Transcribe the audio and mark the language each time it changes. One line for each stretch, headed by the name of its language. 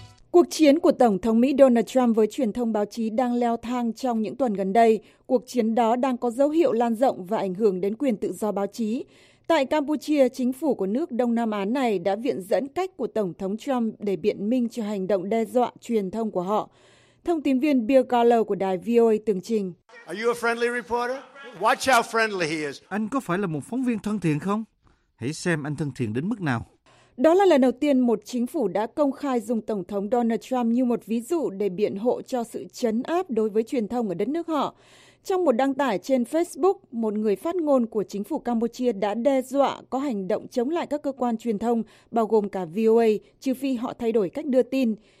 Vietnamese: Cuộc chiến của Tổng thống Mỹ Donald Trump với truyền thông báo chí đang leo thang trong những tuần gần đây. Cuộc chiến đó đang có dấu hiệu lan rộng và ảnh hưởng đến quyền tự do báo chí. Tại Campuchia, chính phủ của nước Đông Nam Á này đã viện dẫn cách của Tổng thống Trump để biện minh cho hành động đe dọa truyền thông của họ. Thông tin viên Bill Garlow của đài VOA tường trình.
English: Are you a friendly reporter? Watch how friendly he is.
Vietnamese: Anh có phải là một phóng viên thân thiện không? Hãy xem anh thân thiện đến mức nào. Đó là lần đầu tiên một chính phủ đã công khai dùng Tổng thống Donald Trump như một ví dụ để biện hộ cho sự chấn áp đối với truyền thông ở đất nước họ. Trong một đăng tải trên Facebook, một người phát ngôn của chính phủ Campuchia đã đe dọa có hành động chống lại các cơ quan truyền thông, bao gồm cả VOA, trừ phi họ thay đổi cách đưa tin.